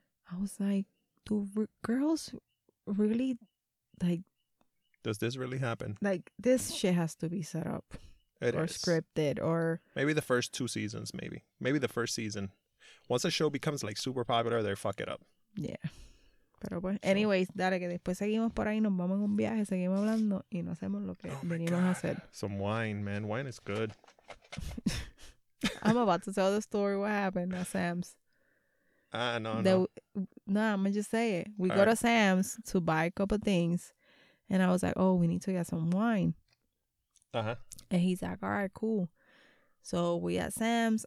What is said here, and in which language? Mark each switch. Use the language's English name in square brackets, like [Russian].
[English] I was like, do girls really like... Does this really happen? Like, this shit has to be set up. It or is. Scripted, or... Maybe the first 2 seasons, maybe. Maybe the first season. Once a show becomes, like, super popular, they fuck it up. Yeah. [Spanish] Pero pues, [English] so. [Spanish] Anyways, dale, que después seguimos por ahí, nos vamos en un viaje, seguimos hablando, y no hacemos lo que venimos a hacer. [English] Some wine, man. Wine is good. I'm about to tell the story what happened at Sam's. I'm going to just say it. We go to Sam's to buy a couple things. And I was like, oh, we need to get some wine. Uh-huh. And he's like, all right, cool. So we at Sam's.